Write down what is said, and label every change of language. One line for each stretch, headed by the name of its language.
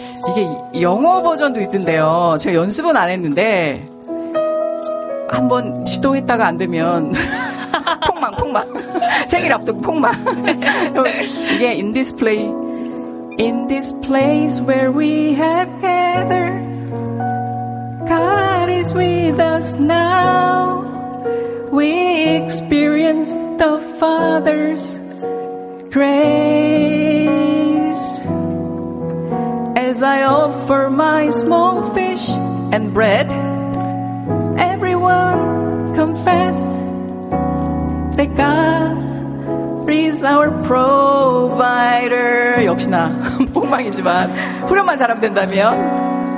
Korean: 이게 영어 버전도 있던데요. 제가 연습은 안 했는데 한번 시도했다가 안 되면 폭망 폭망 생일 앞두고 폭망 이게
English: In this place, in this place where we have gathered, God is with us now. We experience the Father's grace. As I offer my small fish and bread, everyone confess that God is our provider.
Korean: 역시나 폭망이지만 후렴만 잘하면 된다면